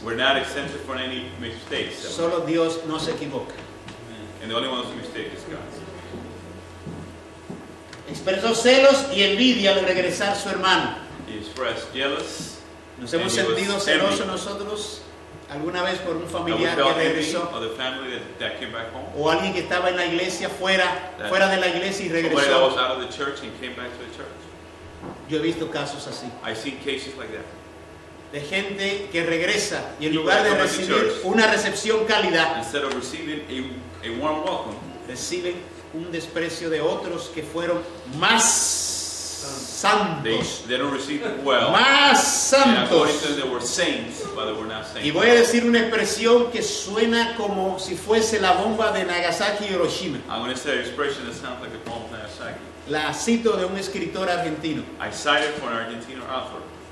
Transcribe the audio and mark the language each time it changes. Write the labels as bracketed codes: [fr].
[en] We're not exempted from any mistakes. [es] Solo Dios no se equivoca. [en] And the only one who's mistaken is God. [es] Expresó celos y envidia al regresar su hermano. [en] He expressed jealous. [es] Nos hemos sentido celosos nosotros alguna vez por un familiar que regresó [en] that came back home, [es] o alguien que estaba en la iglesia fuera de la iglesia y regresó. [en] Was out of the church and came back to the church. [es] Yo he visto casos así. [en] I've seen cases like that. [es] De gente que regresa y en lugar de recibir una recepción cálida, [en] instead of receiving a warm welcome, [es] reciben un desprecio de otros que fueron más santos. [en] They don't receive it well. [es] Más santos. [en] And according to them, they were saints, but they were not saints. [es] Y voy a decir una expresión que suena como si fuese la bomba de Nagasaki y Hiroshima. [en] I'm going to say an expression that sounds like a bomb of Nagasaki. [es] La cito de un escritor argentino. [en] I cite it from an Argentine author.